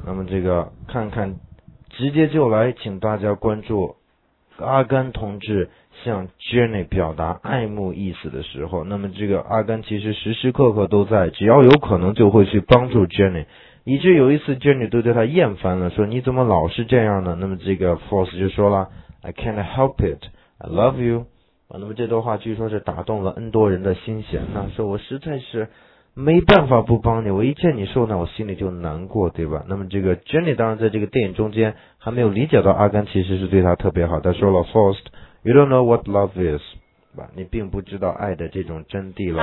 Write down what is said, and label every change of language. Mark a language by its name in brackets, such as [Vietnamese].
[Chinese] 那么这个看看，直接就来请大家关注阿甘同志向 Jenny 表达爱慕意思的时候，那么这个阿甘其实时时刻刻都在，只要有可能就会去帮助 Jenny， 以致有一次 Jenny 都对他厌烦了，说你怎么老是这样呢？那么这个 [English] Force 就说了 I can't help it, I love you。 [Chinese] 啊，那么这段话据说是打动了 N 多人的心弦啊，说我实在是没办法不帮你，我一见你受难我心里就难过，对吧？那么这个 Jenny 当然在这个电影中间还没有理解到阿甘其实是对他特别好，他说了 Forced [English] You don't know what love is， [Chinese] 你并不知道爱的这种真谛了